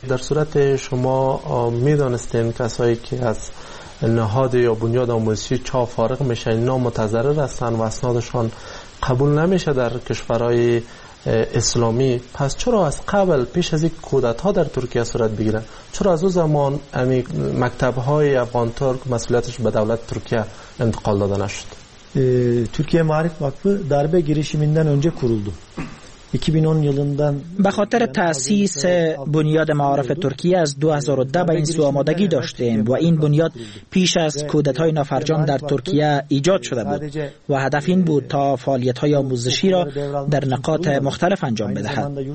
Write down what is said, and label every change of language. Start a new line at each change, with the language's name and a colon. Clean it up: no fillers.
Persian: در صورت شما میدونستین کسایی که از نهاد یا بنیاد آموزشی چا فارغ میشن اینا متضرر هستن و اسنادشان قبول نمیشه در کشورهای اسلامی، پس چرا از قبل پیش از این کودتا در ترکیه صورت بگیرن؟ چرا از او زمان همین مکتب های افغان ترک مسئولیتش به دولت ترکیه انتقال داده نشد؟
Turkish: Türkiye Maarif Vakfı darbe girişiminden önce kuruldu. 2010 yılından
Persian: به خاطر تأسیس بنیاد معارف ترکیه از 2010 به این سو آمادگی داشتیم و این بنیاد پیش از کودتای نافرجام در ترکیه ایجاد شده بود و هدف این بود تا فعالیت‌های آموزشی را در نقاط مختلف انجام بدهد.